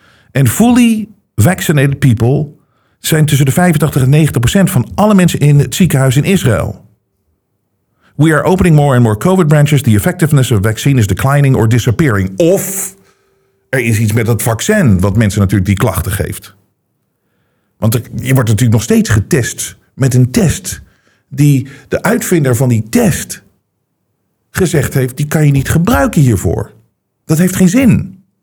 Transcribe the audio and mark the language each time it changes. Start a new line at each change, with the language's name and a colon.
Dutch: En
English: fully vaccinated people
Dutch: zijn tussen de 85% en 90% van alle mensen in het ziekenhuis in Israël.
English: We are opening more and more COVID branches. The effectiveness of vaccine is declining or disappearing.
Dutch: Of er is iets met het vaccin wat mensen natuurlijk die klachten geeft. Want je wordt natuurlijk nog steeds getest met een test die de uitvinder van die test gezegd heeft, die kan je niet gebruiken hiervoor. Dat heeft geen zin.